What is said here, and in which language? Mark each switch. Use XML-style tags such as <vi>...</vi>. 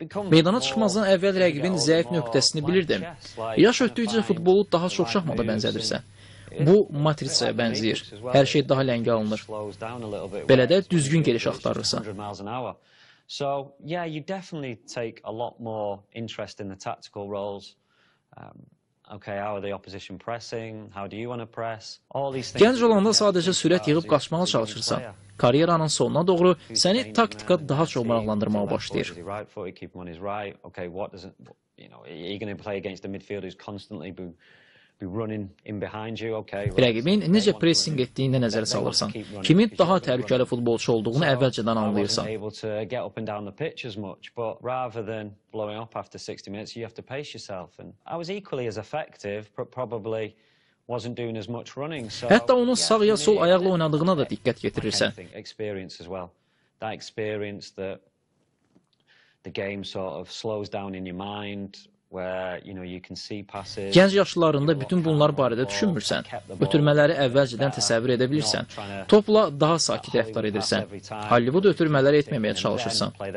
<az>Meydana çıxmazdan əvvəl rəqibin zəif nöqtəsini bilirdim. Yaş ötdükcə futbolu daha çox şahmada bənzədirsən. Bu, matrisaya bənziyir. Hər şey daha ləngə alınır. Belə də düzgün geliş axtarırsan.</az> <en>So, yeah, you definitely take a lot more interest in the tactical roles. Okay, how are the opposition pressing? How do you want to press? All these things.</en> <az>Gənc olanda sadəcə sürət yığıb qaçmağa çalışırsan. Karyeranın sonuna doğru səni taktika daha çox maraqlandırmağa başlayır.</az> <en>Okay, what does it, you know, are you going to play against the midfielders constantly</en> <az>Rəqibin necə pressing etdiyini nəzərə salırsan, kimin daha təhlükəli futbolçu olduğunu əvvəlcədən anlayırsan.</az> <en>Blowing up after 60 minutes, you have to pace yourself. And I was equally as effective, but probably wasn't doing as much running. So,</en> <az>hətta onun sağ ya sol ayaqla oynadığına da diqqət yetirirsən.</az> <en>Experience as well. That experience that the game sort of slows down in your mind, where you know you can see passes.</en> <az>Gənc yaşlarında bütün bunlar barədə düşünmürsən. Ötürmələri əvvəlcədən təsəvvür edə bilirsən. Topla daha sakit rəftar edirsən. Hollywood ötürmələri etməməyə çalışırsan.</az>